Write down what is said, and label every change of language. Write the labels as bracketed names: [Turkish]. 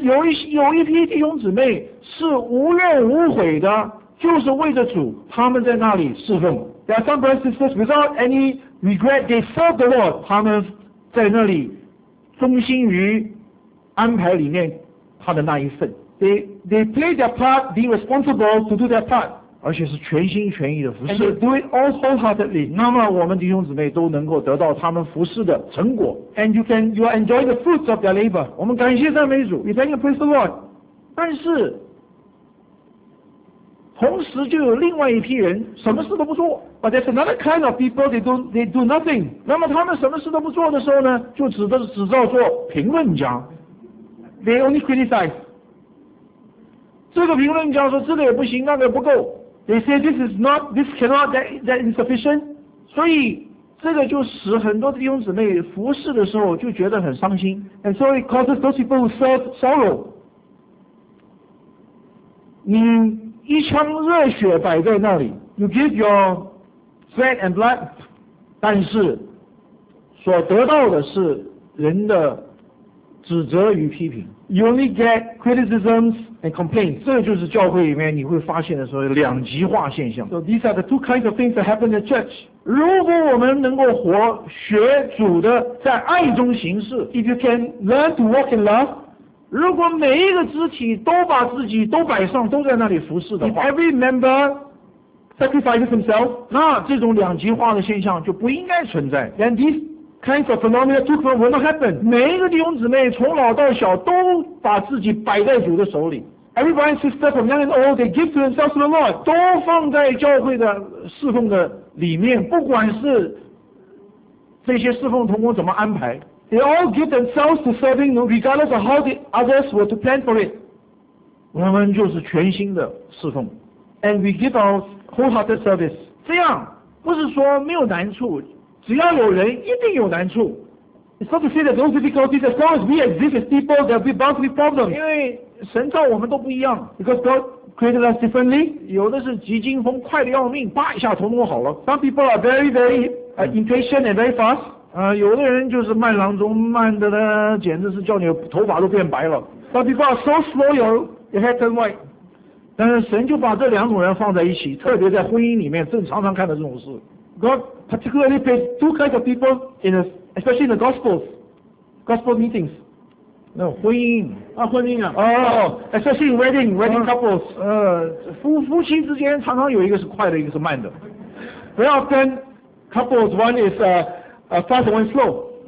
[Chinese] 有一批弟兄姊妹是无怨无悔的，就是为着主，他们在那里侍奉。 [English] There are some brothers and sisters without any regret. They serve the Lord. [Chinese] 他们在那里忠心于安排里面他的那一份。 [English] They play their part, being responsible to do their part. [Chinese] 而且是全心全意的服侍。 [English] And they do it all wholeheartedly. [Chinese] 那么我们弟兄姊妹都能够得到他们服侍的成果。 [English] And you are enjoying the fruits of their labor. [Chinese] 我们感谢赞美主。 [English] We thank and praise the Lord. [Chinese] 但是同时就有另外一批人什么事都不做。 [English] But there's another kind of people, they do nothing. [Chinese] 那么他们什么事都不做的时候呢，就只知道做评论家。 [English] They only criticize. [Chinese] 这个评论家说这个也不行，那个也不够。 [English] They say this is not, this cannot, that insufficient. [Chinese] 所以这个就使很多弟兄姊妹服侍的时候就觉得很伤心。 [English] And so it causes those people who serve sorrow. [Chinese] 你一腔热血摆在那里， [English] you give your sweat and blood， [Chinese] 但是所得到的是人的指责与批评。 [English] You only get criticisms and complaints。 [Chinese] 这就是教会里面你会发现的所谓两极化现象。 [English] So these are the two kinds of things that happen in the church。 [Chinese] 如果我们能够活学主的在爱中行事， [English] if you can learn to walk in love。 [Chinese] 如果每一个肢体都把自己都摆上，都在那里服侍的话， [English] if every member sacrifices himself， [Chinese] 那这种两极化的现象就不应该存在。 [English] And these kinds of phenomena took from will not happen。 [Chinese] 每一个弟兄姊妹从老到小都把自己摆在主的手里。 [English] Everybody and sister from young and old they give to themselves to the Lord， [Chinese] 都放在教会的侍奉的里面，不管是这些侍奉同工怎么安排。 [English] They all give themselves to serving, regardless of how the others were to plan for it. [Chinese] 我们就是全心的侍奉。 [English] And we give our wholehearted service. [Chinese] 这样不是说没有难处，只要有人一定有难处。 [English] It's not to say that those difficulties, as long as we exist as people, there will be bound to be problems. [Chinese] 因为神造我们都不一样。 [English] Because God created us differently. [Chinese] 有的是急惊风，快得要命，叭一下头弄好了。 [English] Some people are very, very impatient and very fast. [Chinese] 有的人就是慢郎中，慢的呢，简直是叫你头发都变白了。 [English] But people are so slow, your head turn white. [Chinese] 但是神就把这两种人放在一起，特别在婚姻里面，正常常看到这种事。 [English] God particularly placed two kinds of people especially in the gospel meetings. No, [Chinese] 婚姻啊，婚姻啊。 [English] Oh, especially in wedding couples. [Chinese] 夫妻之间常常有一个是快的，一个是慢的。 [English] Very often, couples one is fast and slow.